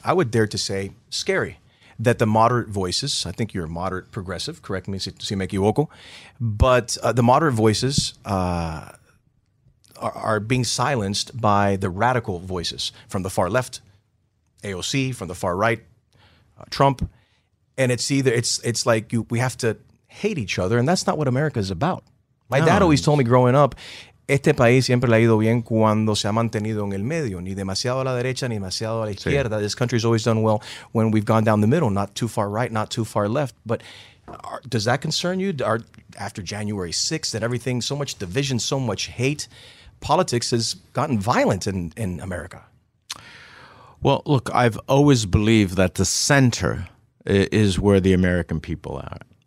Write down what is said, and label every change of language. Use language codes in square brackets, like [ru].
[en] I would dare to say scary. That the moderate voices, I think you're a moderate progressive, correct me if I'm equivocal, but the moderate voices are being silenced by the radical voices from the far left, AOC, from the far right, Trump. And it's like we have to hate each other, and that's not what America is about. My dad always told me growing up, [es] este país siempre le ha ido bien cuando se ha mantenido en el medio. Ni demasiado a la derecha, ni demasiado a la izquierda. Sí. [en] This country's always done well when we've gone down the middle, not too far right, not too far left. But does that concern you? After January 6th, that everything, so much division, so much hate, politics has gotten violent in America? Well, look, I've always believed that the center is where the American people are.